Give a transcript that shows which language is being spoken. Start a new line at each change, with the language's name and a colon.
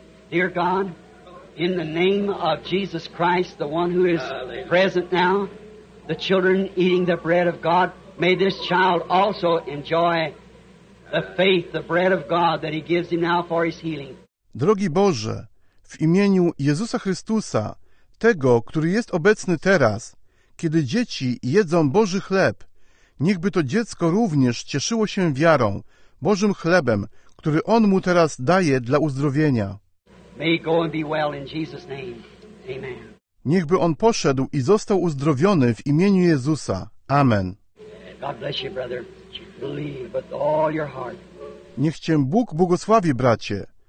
English: Dear God, in the name of Jesus Christ, the one who is present now, the children eating the bread of God, may this child also enjoy the faith, the bread of God that he gives him now for his healing.
Polish: Drogi Boże, w imieniu Jezusa Chrystusa, tego, który jest obecny teraz, kiedy dzieci jedzą Boży chleb, niechby to dziecko również cieszyło się wiarą, Bożym chlebem, który On mu teraz daje dla uzdrowienia.
English: May he go and be well in Jesus' name. Amen.
Polish: Niechby on poszedł i został uzdrowiony w imieniu Jezusa. Amen.
English: God bless you, brother. Believe with all your heart.
Polish: Niech cię Bóg błogosławi, bracie.